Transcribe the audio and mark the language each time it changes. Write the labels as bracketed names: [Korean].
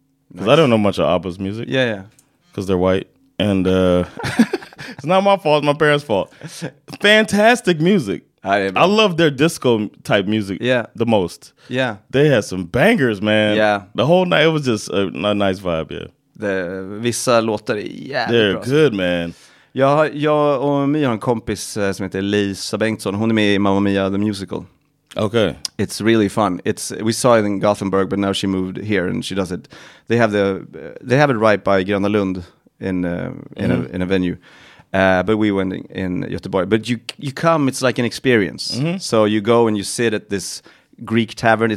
[English] Because nice. I don't know much of ABBA's music. Yeah, yeah. Because they're white, and it's not my fault, it's my parents' fault. Fantastic music. I love their disco type music the most. Yeah. They had some bangers, man. Yeah. The whole night it was just a nice vibe, yeah. [Swedish] Vissa låtar är jävligt bra. [English] They're good, man. [Swedish] Jag och Mia har en kompis som heter Lisa Bengtsson. Hon är med i Mamma Mia the Musical. [English] Okay. It's really fun. We saw it in Gothenburg, but now she moved here and she does it. They have it right by Gröna Lund in a venue. But we went in Göteborg. But you come, it's like an experience. Mm-hmm. So you go and you sit at this Greek tavern.